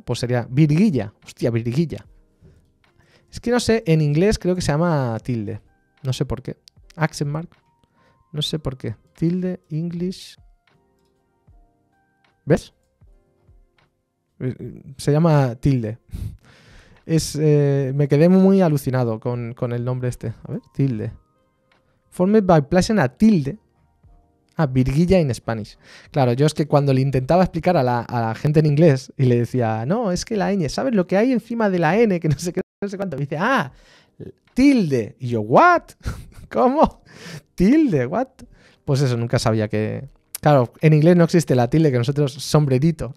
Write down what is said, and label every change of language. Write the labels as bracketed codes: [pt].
[es] Pues sería virguilla, hostia, virguilla. Es que no sé, en inglés creo que se llama tilde, no sé por qué, accent mark. No sé por qué. Tilde, English. ¿Ves? Se llama tilde. Me quedé muy alucinado con el nombre este. A ver, tilde. [en] Formed by placing a tilde. Ah, virguilla in Spanish. [es] Claro, yo es que cuando le intentaba explicar a la gente en inglés y le decía, no, es que la ñ, ¿sabes lo que hay encima de la n? Que no sé qué, no sé cuánto. Me dice, ah, tilde. Y yo, ¿what? ¿Cómo? ¿Tilde? ¿What? Pues eso, nunca sabía que... Claro, en inglés no existe la tilde, que nosotros... Sombrerito.